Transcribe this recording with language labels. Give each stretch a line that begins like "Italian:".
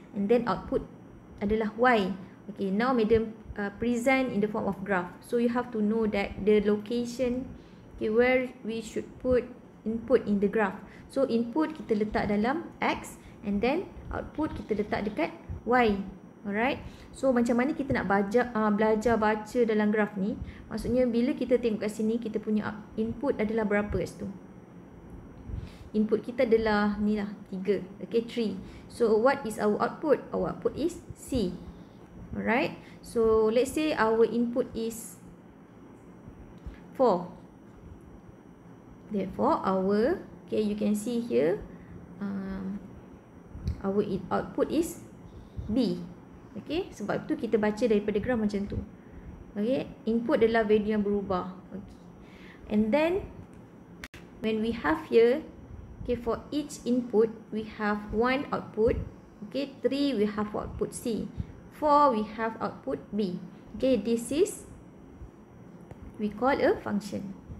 English: And then output adalah Y. Okay, now medium present in the form of graph. So, you have to know that the location, okay, where we should put input in the graph. So, input
Malay: kita letak dalam
English: X and then output
Malay: kita letak dekat
English: Y. Alright.
Malay: So, macam mana kita nak belajar baca dalam graph ni? Maksudnya, bila kita tengok kat sini, kita punya input adalah berapa kat situ? Input kita adalah ni lah, 3.
English: Okay, 3. So, what is our output? Our output is C. Alright, so let's say our input is 4. Therefore, you can see here, our output is B.
Malay: Okay, sebab tu kita baca daripada graf macam tu. Okay, input adalah value yang berubah. Okay.
English: And then, when we have here, okay, for each input, we have one output. Okay, three, we have output C. Four, we have output B. Okay, this is, we call a function.